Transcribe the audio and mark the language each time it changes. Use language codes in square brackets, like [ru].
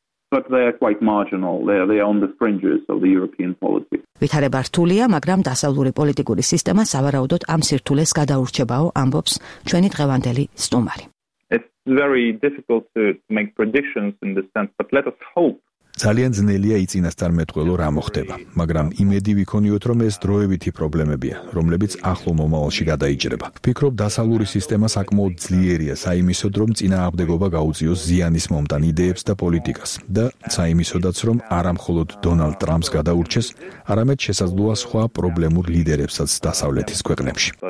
[en] But they are quite marginal. They are on the fringes of the European politics. [ka] ვითარება რთულია, მაგრამ დასავლური პოლიტიკური სისტემა სავარაუდოდ ამ სირთულეს გადაურჩებაო, ამბობს ჩვენი დღევანდელი სტუმარი. [en] It's very difficult to make predictions in this sense, but let us hope. [ka] ძალიან ძნელია იწინასწარ მეტყველო რა მოხდება, მაგრამ იმედი ვიქონიოთ რომ ეს დროებითი პრობლემებია, რომლებიც ახლო მომავალში გადაიჭრება. ვფიქრობ დასალური სისტემა საკმაოდ ძლიერია საიმისოდ რომ წინააღმდეგობა გაუწიოს ზიანის მომტან იდეებს და პოლიტიკას და საიმისოდაც რომ არამხოლოდ დონალდ ტრამპს გადაურჩეს, არამედ შესაძლოა სხვა პრობლემურ ლიდერებსაც დასავლეთის ქვეყნებში.